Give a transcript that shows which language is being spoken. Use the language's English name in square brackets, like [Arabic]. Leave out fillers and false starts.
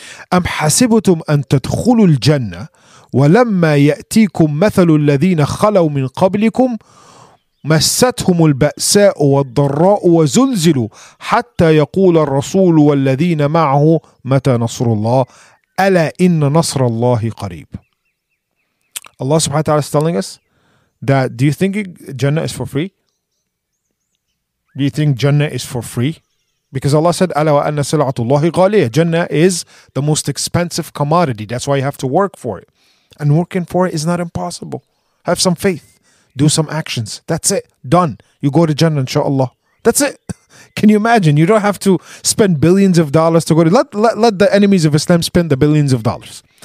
[Arabic] أَمْ حَسِبُتُمْ أَن تَدْخُلُوا الْجَنَّةِ وَلَمَّا يَأْتِيكُمْ مَثَلُ الَّذِينَ خَلَوْا مِنْ قَبْلِكُمْ مَسَّتْهُمُ الْبَأْسَاءُ وَالضَّرَّاءُ وَزُلْزِلُوا حَتَّى يَقُولَ الرَّسُولُ وَالَّذِينَ مَعَهُ مَتَى نَصْرُ اللَّهِ أَلَا إِنَّ نَصْرَ اللَّهِ قَرِيبٌ. [English] Allah subhanahu wa ta'ala is telling us that, do you think Jannah is for free? Do you think Jannah is for free? Because Allah said, [Arabic] أَلَا وَأَنَّ سَلَعَةُ اللَّهِ غَالِيَةٌ. [English] Jannah is the most expensive commodity. That's why you have to work for it. And working for it is not impossible. Have some faith. Do some actions. That's it. Done. You go to Jannah, inshallah. That's it. Can you imagine? You don't have to spend billions of dollars to go to... Let the enemies of Islam spend the billions of dollars.